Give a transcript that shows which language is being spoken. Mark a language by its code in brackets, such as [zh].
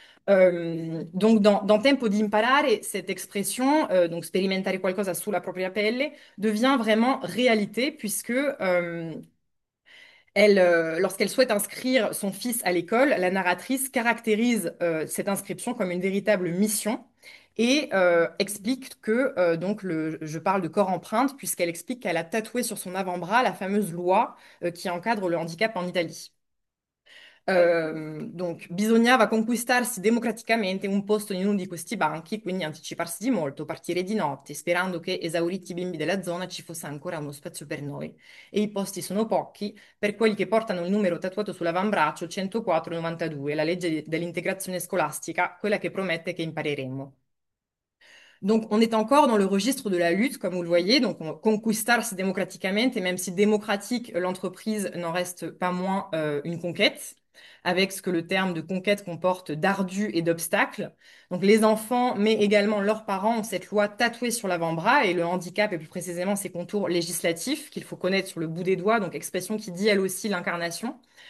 [fr] Donc dans Tempo di imparare, cette expression, donc [it] sperimentare qualcosa sulla propria pelle, [fr] devient vraiment réalité puisque lorsqu'elle souhaite inscrire son fils à l'école, la narratrice caractérise cette inscription comme une véritable mission et explique que je parle de corps empreinte puisqu'elle explique qu'elle a tatoué sur son avant-bras la fameuse loi qui encadre le handicap en Italie. [it] Donc, bisognava conquistarsi democraticamente un posto in uno di questi banchi, quindi anticiparsi di molto, partire di notte, sperando che, esauriti i bimbi della zona, ci fosse ancora uno spazio per noi. E i posti sono pochi, per quelli che portano il numero tatuato sull'avambraccio 10492, la legge dell'integrazione scolastica, quella che promette che impareremo. [fr] Donc, on est encore dans le registre de la lutte, comme vous le voyez, donc conquistarsi démocratiquement, et même si démocratique l'entreprise n'en reste pas moins une conquête, avec ce que le terme de conquête comporte d'ardu et d'obstacle. Donc, les enfants, mais également leurs parents, ont cette loi tatouée sur l'avant-bras, et le handicap, et plus précisément ses contours législatifs, qu'il faut connaître sur le bout des doigts, donc expression qui dit elle aussi l'incarnation.